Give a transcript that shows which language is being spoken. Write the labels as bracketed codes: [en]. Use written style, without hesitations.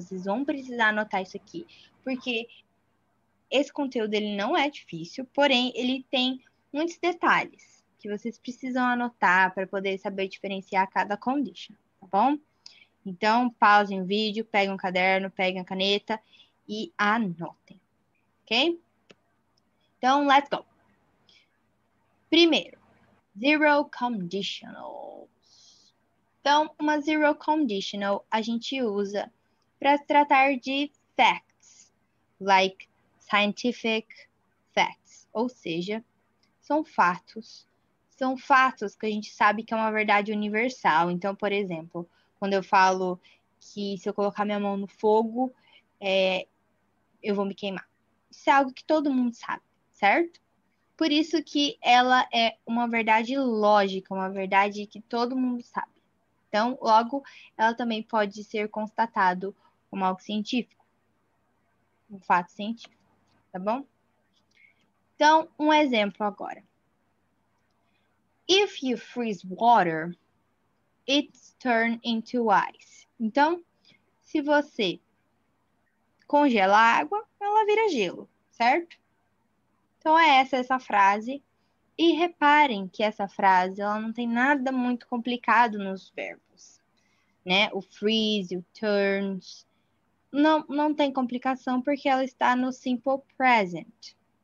[pt] Vocês vão precisar anotar isso aqui, porque esse conteúdo ele não é difícil, porém ele tem muitos detalhes que vocês precisam anotar para poder saber diferenciar cada condition, tá bom? Então, pausem o vídeo, peguem um caderno, peguem a caneta e anotem, ok? [en] Então, let's go. [pt] Primeiro, zero conditionals. Então, uma zero conditional a gente usa para tratar de [en] facts, like scientific facts. [pt] Ou seja, são fatos. São fatos que a gente sabe que é uma verdade universal. Então, por exemplo, quando eu falo que se eu colocar minha mão no fogo, eu vou me queimar. Isso é algo que todo mundo sabe. Certo? Por isso que ela é uma verdade lógica, uma verdade que todo mundo sabe. Então, logo, ela também pode ser constatado como algo científico, um fato científico, tá bom? Então, um exemplo agora. [en] If you freeze water, it's turned into ice. [pt] Então, se você congela a água, ela vira gelo, certo? Então, é essa frase. E reparem que essa frase, ela não tem nada muito complicado nos verbos, né? O freeze, o turns. Não tem complicação porque ela está no simple present.